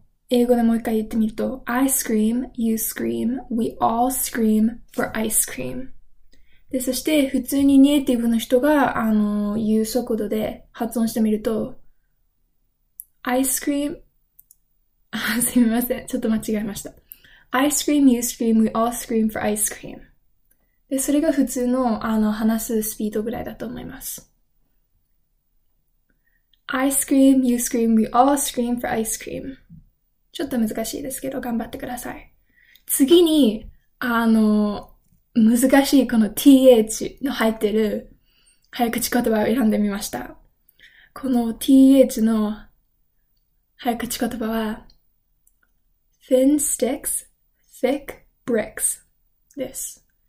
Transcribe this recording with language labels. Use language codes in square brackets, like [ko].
[ja] 英語でもう一回言ってみると、 [en] Ice cream, you scream, we all scream for ice cream. [ja] で、そして普通にネイティブの人が言う速度で発音してみると、 [en] Ice cream, [ja] すみません。ちょっと間違えました。 [en] Ice cream, you scream, we all scream for ice cream. [ja] で、それが普通の、話すスピードぐらいだと思います。 [en] Ice cream, you scream, we all scream for ice cream. [ja] ちょっと難しいですけど、頑張ってください。次に、難しいこの th の入ってる早口言葉を選んでみました。この th の早口言葉は、 [en] thin sticks, thick bricks [ja] です。